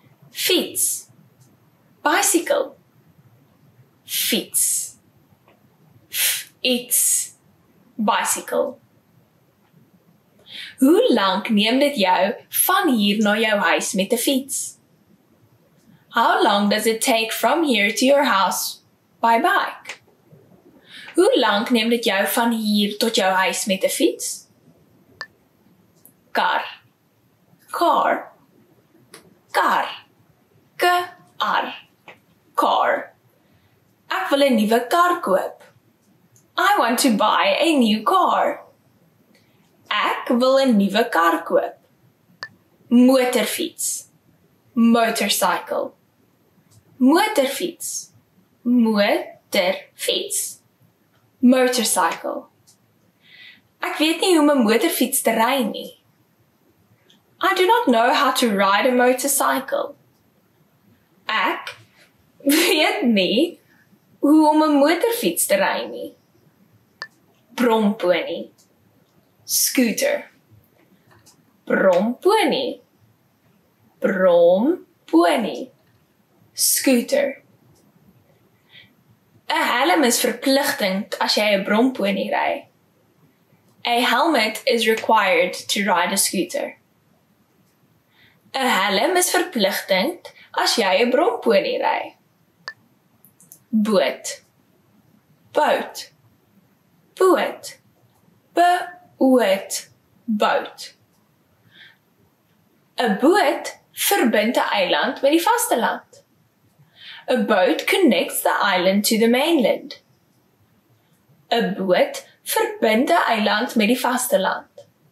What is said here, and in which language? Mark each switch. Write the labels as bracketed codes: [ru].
[af] Fiets. [en] Bicycle. [af] Fiets. Fiets. [en] Bicycle. [af] Hoe lank neem dit jou van hier na jou huis met 'n fiets? [en] How long does it take from here to your house by bike? [af] Hoe lank neem dit jou van hier tot jou huis met 'n fiets? Kar. [en] Car. [af] Kar. K-A-R. Car. Ek wil 'n nuwe kar koop. [en] I want to buy a new car. [af] Ek wil 'n nuwe kar koop. Motorfiets. [en] Motorcycle. [af] Motorfiets. Motorfiets. [en] Motorcycle. [af] Ek weet nie hoe om 'n motorfiets te ry nie. [en] I do not know how to ride a motorcycle. [af] Ek weet nie hoe om 'n motorfiets te ry nie. Bromponie. [en] Scooter. [af] Bromponie. Bromponie. [en] Scooter. [af] 'n Helm is verpligtend as jy 'n bromponie ry. [en] A helmet is required to ride a scooter. [af] 'n Helm is verpligtend as jy 'n bromponie ry. Boot. [en] Boat. [af] Boot. Boot. Boot. 'n Boot verbind 'n eiland met die vasteland. [en] A boat connects the island to the mainland. [af] A boot verbind 'n eiland met die vasteland.